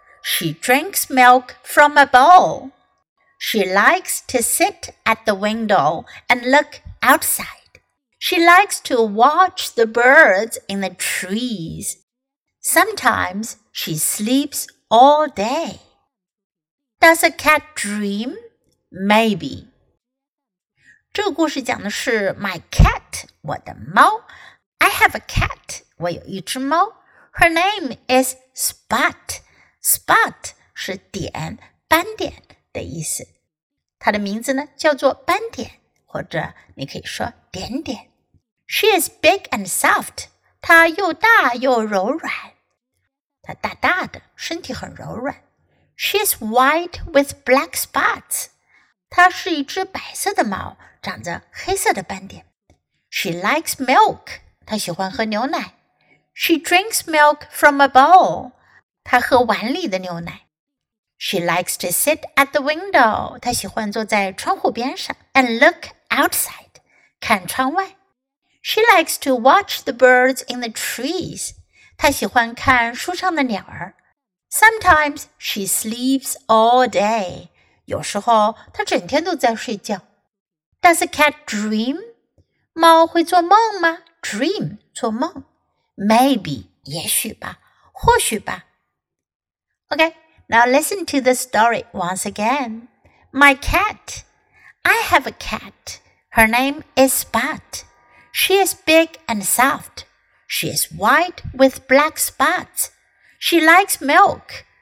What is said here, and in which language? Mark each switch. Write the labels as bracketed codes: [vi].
[en] She drinks milk from a bowl. She likes to sit at the window and look outside. She likes to watch the birds in the trees. Sometimes she sleeps all day. Does a cat dream? Maybe. [zh] 这个故事讲的是 [en] my cat, [zh] 我的猫。 [en] I have a cat, [zh] 我有一只猫。 [en] Her name is Spot. [zh] Spot 是点、斑点的意思。它的名字呢叫做斑点，或者你可以说点点。 [en] She is big and soft. [zh] 她又大又柔软。她大大的，身体很柔软。 [en] She is white with black spots. [zh] 她是一只白色的猫，长着黑色的斑点。 [en] She likes milk. [zh] 她喜欢喝牛奶。 [en] She drinks milk from a bowl. [zh] 她喝碗里的牛奶。 [en] She likes to sit at the window. [zh] 她喜欢坐在窗户边上。 [en] And look outside. [zh] 看窗外。 [en] She likes to watch the birds in the trees. [zh] 她喜欢看树上的鸟儿。 [en] Sometimes she sleeps all day. [zh] 有时候她整天都在睡觉。 [en] Does a cat dream? [zh] 猫会做梦吗? [en] Dream, [zh] 做梦。 [en] Maybe, [zh] 也许吧,或许吧。 [en] Okay, now listen to the story once again. My cat. I have a cat. Her name is Spot. She is big and soft. She is white with black spots. She likes milk.